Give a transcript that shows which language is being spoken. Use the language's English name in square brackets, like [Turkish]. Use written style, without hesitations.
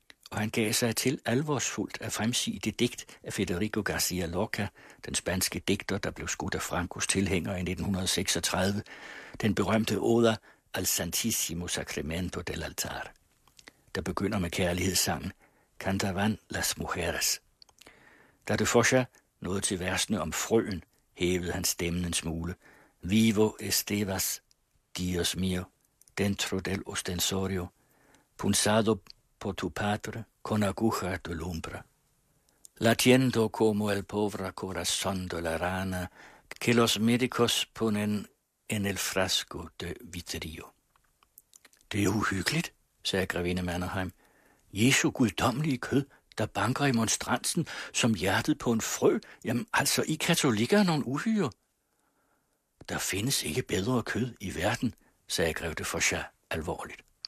[Danish] Og han gav sig til alvorsfuldt at fremsige det digt af Federico García Lorca, den spanske digter, der blev skudt af Francos tilhænger i 1936, den berømte Oda al Santissimo Sacramento del Altar, der begynder med kærlighedssangen Cantaban las Mujeres. Da de Foucha nåede til versene om frøen, hævede han stemmen en smule. [Spanish] Vivo estevas, Dios mío, dentro del ostensorio, punzado por tu padre con aguja de lumbre, latiendo como el pobre corazón de la rana que los médicos ponen en el frasco de vitrio. [Danish] Det er uhyggeligt, sagde grevinde Mannerheim. Jesu guddommelige kød, der banker i monstransen som hjertet på en frø, jamen altså, I katolikker er nogen uhyre. Der findes ikke bedre kød i verden, sagde grev de Foucha alvorligt.